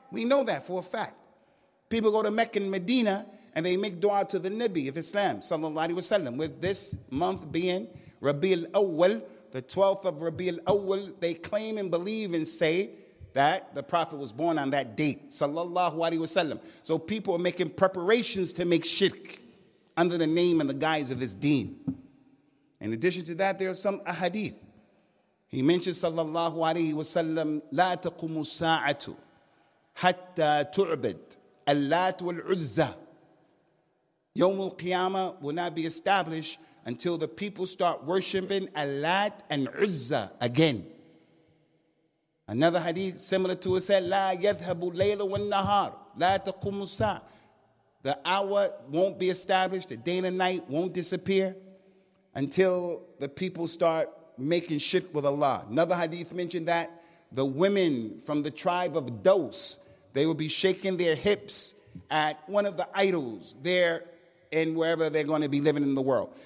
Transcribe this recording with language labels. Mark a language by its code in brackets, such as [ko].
[en] We know that for a fact. People go to Mecca and Medina, and they make dua to the Nabi of Islam, sallallahu alayhi wa sallam, with this month being Rabi al-Awwal, the 12th of Rabi al-Awwal, they claim and believe and say that the Prophet was born on that date, sallallahu alaihi wasallam. So people are making preparations to make shirk under the name and the guise of this deen. In addition to that, there are some ahadith. He mentions, [ar] sallallahu alaihi wasallam, لا تقوم الساعة حتى تعبد اللات والعزة. يوم القيامة [en] will not be established until the people start worshiping Allat and Uzza again. Another hadith similar to it said, [ar] لا يذهب ليلة والنهار لا تقوم الساعة. [en] The hour won't be established, the day and the night won't disappear until the people start making shirk with Allah. Another hadith mentioned that the women from the tribe of Daws, they will be shaking their hips at one of the idols there in wherever they're going to be living in the world.